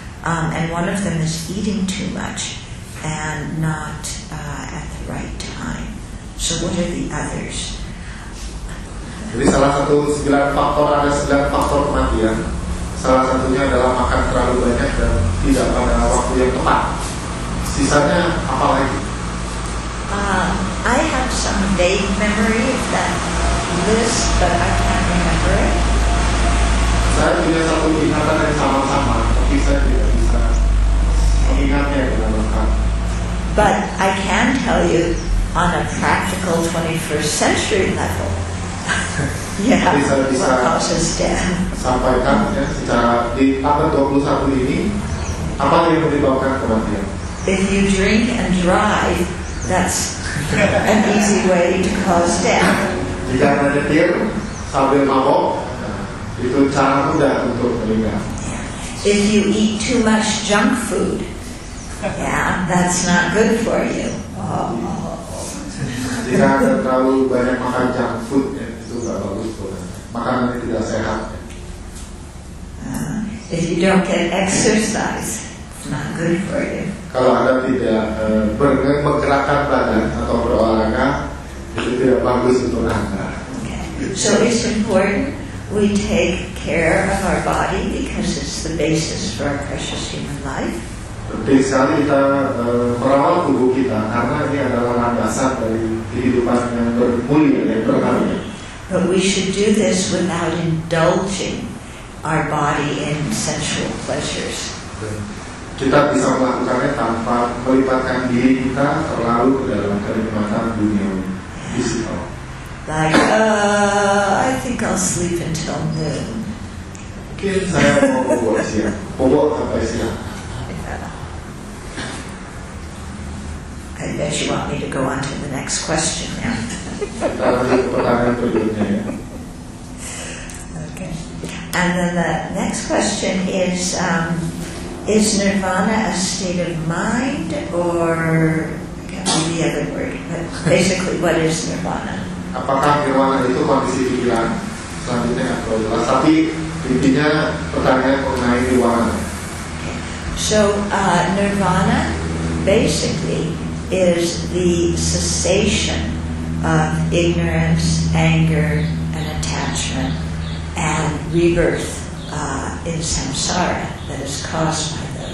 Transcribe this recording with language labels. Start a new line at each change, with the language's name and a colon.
English: And one of them is eating too much and not at the right time. So what are the others?
Indonesian: Jadi salah satu 9 faktor, ada 9 faktor kematian. Salah satunya adalah makan terlalu banyak dan tidak pada waktu yang tepat. Sisanya apa lagi?
English: I have some vague memory of that list, but I can't remember it.
Indonesian: Saya punya satu ingatan yang sama-sama, tapi saya tidak bisa mengingatnya dengan lengkap.
English: But I can tell you on a practical 21st century level. Yeah.
Indonesian: Jadi saya bisa sampaikan ya, secara di abad 21 ini apa yang menyebabkan kematian.
English: If you drink and drive, that's an easy way to cause death.
Indonesian: Jika anda nyetir sambil mabok, itu cara mudah untuk meninggal.
English: If you eat too much junk food, yeah, that's not good for you.
Indonesian: Jika anda terlalu banyak makan junk food, ya, itu tidak bagus untuk makanan yang tidak sehat.
English: If you don't get exercise, not good for you.
Indonesian: Kalau anda tidak menggerakkan badan atau berolahraga, itu tidak bagus untuk anda.
English: Okay. So it's important we take care of our body because it's the basis for our precious human life.
Indonesian: Penting sekali kita merawat tubuh kita karena ini adalah landasan dari kehidupan yang bermulia dan berharga.
English: But we should do this without indulging our body in sensual pleasures.
Indonesian: Kita bisa melakukannya tanpa melibatkan diri kita terlalu ke dalam kenikmatan dunia fisikal.
English: Like, I think I'll sleep until noon.
Indonesian: Mungkin saya mau bobok siang. Bobok sampai siang.
English: I bet you want me to go on to the next question now.
Indonesian: Kita lanjut ke pertanyaan berikutnya ya.
English: Okay. And then the next question is, is nirvana a state of mind, or the other word? But basically, what is nirvana?
Indonesian: Apakah nirvana itu kondisi pikiran? Selanjutnya atau jelas? Tapi intinya pertanyaan mengenai nirvana.
English: So nirvana basically is the cessation of ignorance, anger, and attachment, and rebirth in samsara that is caused by.